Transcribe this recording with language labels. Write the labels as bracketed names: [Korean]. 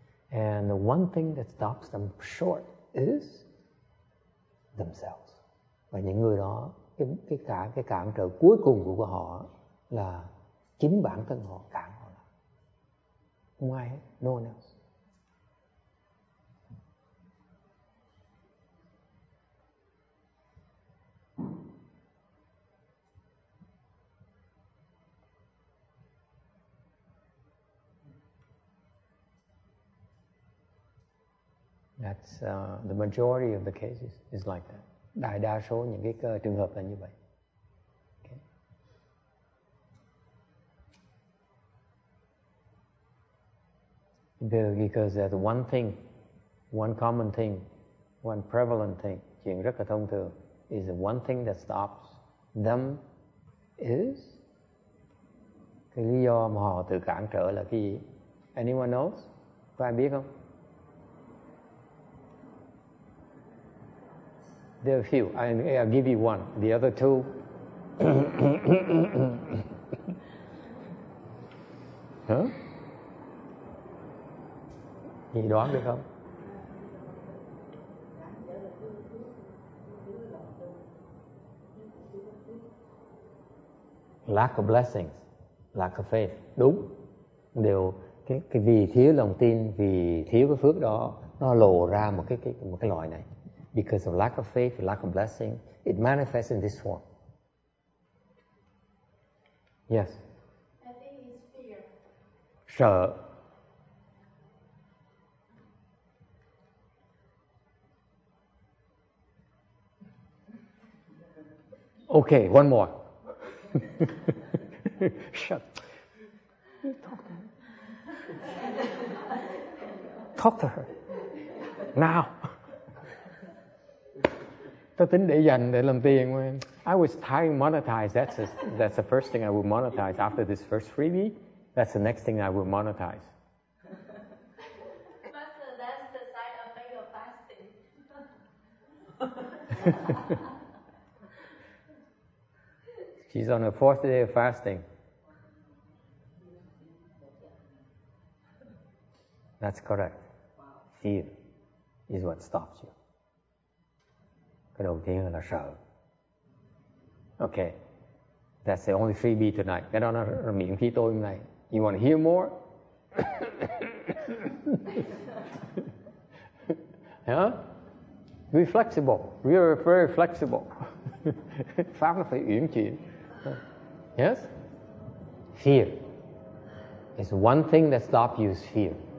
[English] And the one thing that stops them short is themselves. [Vietnamese] Và những người đó, cái cản trở cuối cùng của họ là chính bản thân họ cản họ. Không ai hết, [English] no one else. That's the majority of the cases is like that. [Vietnamese] Đại đa số những cái trường hợp là như vậy. [English] Okay. Because there's one thing, one common thing, one prevalent thing, [Vietnamese] chuyện rất là thông thường, [English] is the one thing that stops them is? [Vietnamese] Cái lý do mà họ tự cản trở là cái gì? [English] Anyone knows? [Vietnamese] Có ai biết không? [English] There are a few. I'll give you one. The other two. [Vietnamese] Huh? You đoán được không? [English] Lack of blessings, lack of faith. [Vietnamese] Đúng. Đều cái vì thiếu lòng tin, vì thiếu cái phước đó, nó lộ ra một cái loại này. [English] Because of lack of faith, lack of blessing, it manifests in this form. Yes. I think it's fear. [Vietnamese] Sợ. [English] Okay, one more. Shut. Talk to her. Now. [Vietnamese] Tôi tính để dành để làm tiền. [English] I was trying to monetize. That's the first thing I would monetize after this first freebie. That's the next thing I would monetize. Master, that's the side of making your fasting. She's on her fourth day of fasting. That's correct. Fear is what stops you. [Vietnamese] Cái đầu tiên là sợ. [English] Okay. That's the only freebie tonight. [Vietnamese] Cái đó nó miễn phí tôi hôm nay. [English] You want to hear more? Yeah? Be flexible. We are very flexible. [Vietnamese] Pháp nó phải uyển chuyển. [English] Yes? Fear. It's one thing that stops you is fear.